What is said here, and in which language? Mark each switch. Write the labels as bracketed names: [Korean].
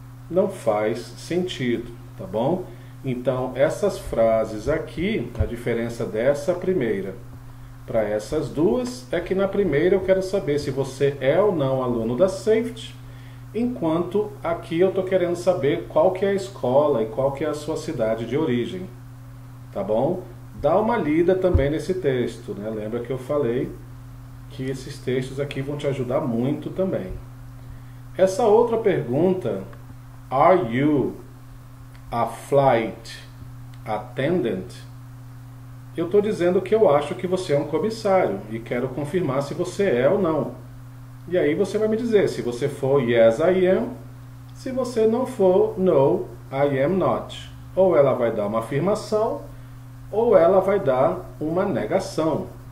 [Portuguese] Não faz sentido, tá bom? Então, essas frases aqui, a diferença dessa primeira para essas duas é que na primeira eu quero saber se você é ou não aluno da Safety, enquanto aqui eu estou querendo saber qual que é a escola e qual que é a sua cidade de origem, tá bom? Dá uma lida também nesse texto, né? Lembra que eu falei que esses textos aqui vão te ajudar muito também. Essa outra pergunta. [English] Are you a flight attendant? [Portuguese] Eu estou dizendo que eu acho que você é um comissário e quero confirmar se você é ou não. E aí você vai me dizer se você for [English] yes, I am. [Portuguese] Se você não for, [English] no, I am not. [Portuguese] Ou ela vai dar uma afirmação ou ela vai dar uma negação.